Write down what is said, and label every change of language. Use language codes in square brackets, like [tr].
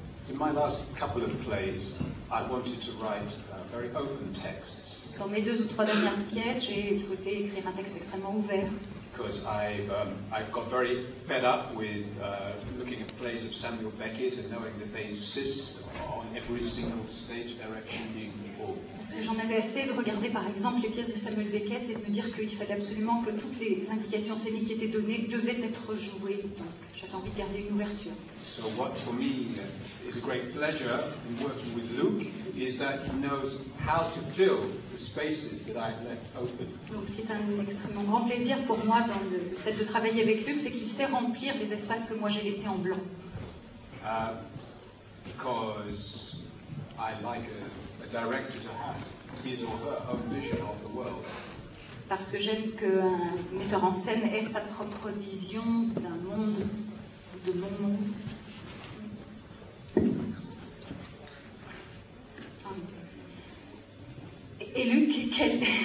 [en] In my last couple of plays, I wanted to write very open texts. [fr] Dans mes deux ou trois dernières pièces, j'ai souhaité écrire un texte extrêmement ouvert. [en] Because I've got very fed up with looking at plays of Samuel Beckett and knowing that they insist on every single stage direction being before. [fr] Parce que j'en avais assez de regarder, par exemple, les pièces de Samuel Beckett et de me dire qu'il fallait absolument que toutes les indications scéniques qui étaient données devaient être jouées. Donc, j'avais envie de garder une ouverture. [en] So what for me is a great pleasure in working with Luke is that he knows how to fill the spaces that I've left open. [fr] Donc, c'est un extrêmement grand plaisir pour moi dans le fait de travailler avec Luke, c'est qu'il sait remplir les espaces que moi j'ai laissés en blanc. [en] Because I like a director to have his or her own vision of the world. [fr] Parce que j'aime qu'un metteur en scène ait sa propre vision d'un monde, de mon monde. Et Luc, quel...